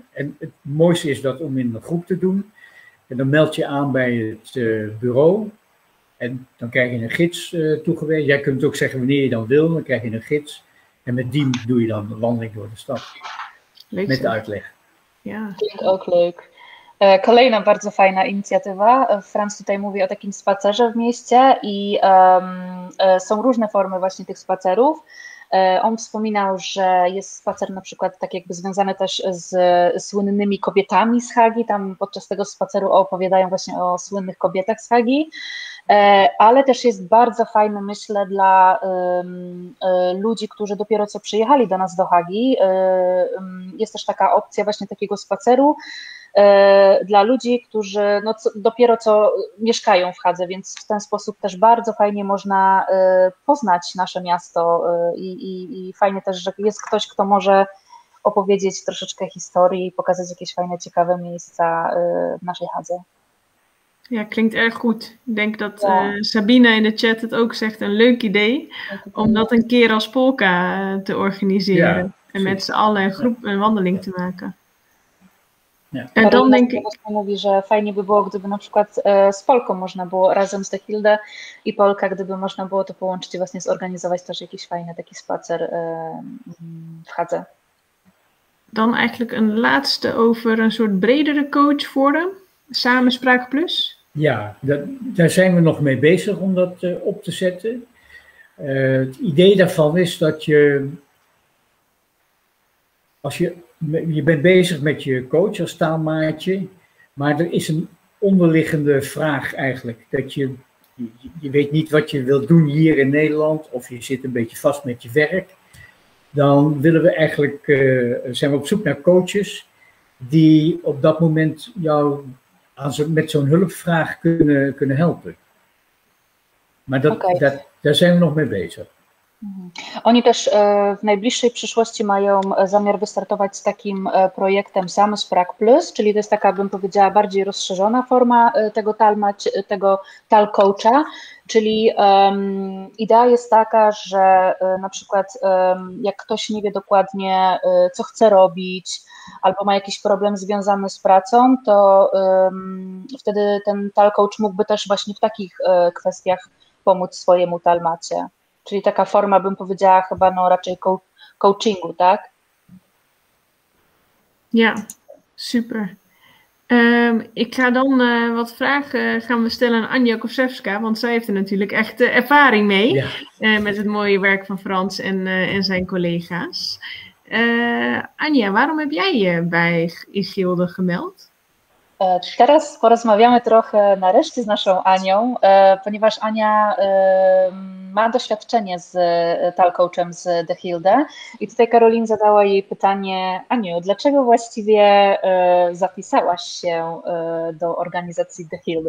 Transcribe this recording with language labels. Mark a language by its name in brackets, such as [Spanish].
[Dutch] En het mooiste is dat om in een groep te doen. En dan meld je aan bij het bureau. En dan krijg je een gids toegewezen. Jij kunt ook zeggen wanneer je dan wil, dan krijg je een gids. En met die doe je dan de wandeling door de stad. Leuk, met de uitleg. Ja, klinkt ook leuk. [Polish] Kolejna bardzo fajna inicjatywa. Franz tutaj mówi o takim spacerze w mieście i są różne formy właśnie tych spacerów. On wspominał, że jest spacer na przykład tak jakby związany też z słynnymi kobietami z Hagi, tam podczas tego spaceru opowiadają właśnie o słynnych kobietach z Hagi, ale też jest bardzo fajny, myślę, dla ludzi, którzy dopiero co przyjechali do nas do Hagi. Jest też taka opcja właśnie takiego spaceru dla ludzi, którzy dopiero co mieszkają w Hadze, więc w ten sposób też bardzo fajnie można poznać nasze miasto i fajnie też, że jest ktoś, kto może opowiedzieć troszeczkę historii i pokazać jakieś fajne, ciekawe miejsca w naszej Hadze. [Dutch] Ja, klinkt erg goed. Ik denk dat Sabine in de chat het ook zegt, een leuk idee om dat een keer als polka te organiseren en met z'n allen een groep een wandeling te maken. Ja. Dan denk ik. [Polish] Mówi, że fajnie by było, gdyby na przykład z Polką można było razem z Techilde i Polka, gdyby można było to połączyć i właśnie zorganizować też jakiś fajny taki spacer w Hadze. [Dutch] Dan eigenlijk een laatste over een soort bredere coach forum, Samenspraak Plus. Ja, daar zijn we nog mee bezig om dat op te zetten. Het idee daarvan is dat je, als je. Je bent bezig met je coach als taalmaatje, maar er is een onderliggende vraag eigenlijk. Dat je weet niet wat je wilt doen hier in Nederland, of je zit een beetje vast met je werk. Dan willen we eigenlijk, zijn we op zoek naar coaches die op dat moment jou met zo'n hulpvraag kunnen helpen. Maar daar zijn we nog mee bezig. [Polish] Oni też w najbliższej przyszłości mają zamiar wystartować z takim projektem Samenspraak Plus, czyli to jest taka, bym powiedziała, bardziej rozszerzona forma tego tal coacha, czyli idea jest taka, że na przykład jak ktoś nie wie dokładnie, co chce robić, albo ma jakiś problem związany z pracą, to wtedy ten tal coach mógłby też właśnie w takich kwestiach pomóc swojemu talmacie. Czyli taka forma, bym powiedziała, chyba no raczej coachingu, tak? [Dutch] Ja, super. Ik ga dan wat vragen gaan we stellen aan Anja Kosewska, want zij heeft er natuurlijk echt ervaring mee. Ja. Met het mooie werk van Frans en zijn collega's. Anja, waarom heb jij je bij Ischilde gemeld? [Polish] Teraz porozmawiamy trochę nareszcie z naszą Anią, ponieważ Ania ma doświadczenie z talcoachem z The Hilde i tutaj Karolin zadała jej pytanie: Aniu, dlaczego właściwie zapisałaś się do organizacji The Hilde?